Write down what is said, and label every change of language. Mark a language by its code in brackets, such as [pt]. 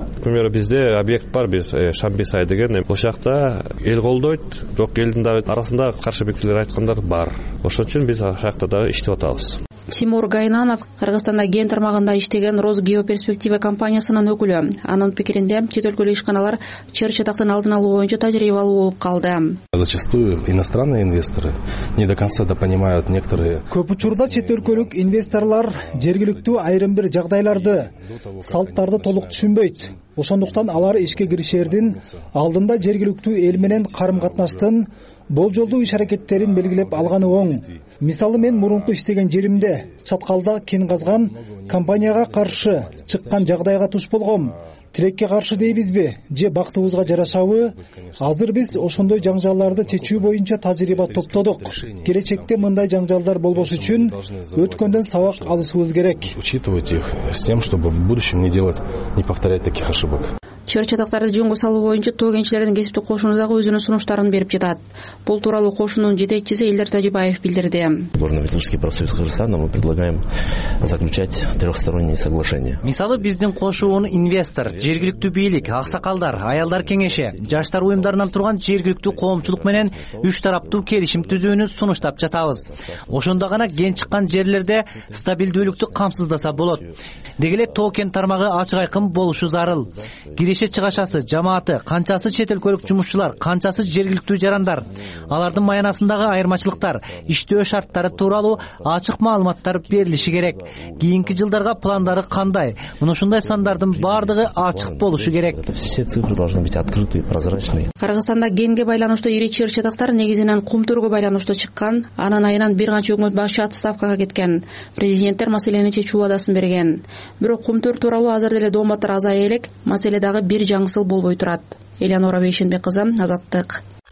[ky] Например, бизде объект бар, биз Шамбесай деген ошакта эл колдойт, бирок элдин дагы арасында каршы пикирлер айткандар бар. Ошон үчүн биз ошакта дагы иштеп атабыз. Тимур Гайнанов Кыргызстанда ген тармагында иштеген Роз геоперспектива компаниясынын өкүлү. Анын пикиринде чет өлкөлүк ишканалар чыр-чатактын алдын алуу боюнча тажрыйбалуу болуп калды. [ru] Зачастую иностранные инвесторы не до конца да понимают некоторые. [ky] Көп учурда чет өлкөлүк инвесторлор жергиликтүү айрым бир жагдайларды, салттарды толук түшүнбөйт. Ошондуктан алар ишке киришердин алдында жергиликтүү эл менен карым-катнаштын болжолдуу иш аракеттерин белгилеп алганы оң. Мисалы, мен мурунку иштеген жеримде чаткалда кен казган компанияга каршы чыккан жагдайга туш болгом. Тилекке каршы дейбизби же бактыбызга жарашабы? Азыр биз ошондой жаңжалдарды чечүү боюнча тажрыйба топтодук. Келечекте мындай жаңжалдар болбош үчүн өткөндөн сабак алышыбыз керек. [ru] Учитывать их с тем, чтобы в будущем не делать, не повторять таких ошибок. [ky] Чыр-чатактарды жөнгө салуу боюнча тоо кенчилеринин кесиптик кошуну дагы өзүнүн сунуштарын берип жатат. Бул тууралуу кошунун жетекчиси Элдер Тажибаев билдирди. [ru] Горно-металлургический профсоюз Кыргызстана, мы предлагаем заключать трехстороннее соглашение. [ky] Мисалы, биздин кошууну инвестор, жергиликтүү бийлик, аксакалдар, аялдар кеңеши, жаштар уюмдарынан турган жергиликтүү коомчулук менен үч тараптуу келишим түзүүнү сунуштап жатабыз. Ошондо гана кен чыккан жерлерде стабилдүүлүктү камсыздаса болот. Дегеле токен тармагы ачык айкын болушу зарыл. Киреше чыгашасы, жамааты, канчасы четел көлүк жумушчулар, канчасы жергиликтүү жарандар, алардын маянасындагы айырмачылыктар, иштөө шарттары тууралуу ачык маалыматтар берилиши керек. Кийинки жылдарга пландары кандай? Мына ушундай сандардын баардыгы ачык болушу керек. [ru] Все цифры должны быть открытые, прозрачные. [ky] Кыргызстанда генге байланыштуу ири чыр-чатактар негизинен кумтурго байланыштуу чыккан, анан айынан бир канча өкмөт башчы отставкага кеткен. Президенттер маселени чечүү адасын берген. Бирок кумтур тууралуу азыр деле дооматтар азая элек, маселе дагы бир жаңысыл болбой турат. Элеонора Бейшенбек кызы, Азаттык.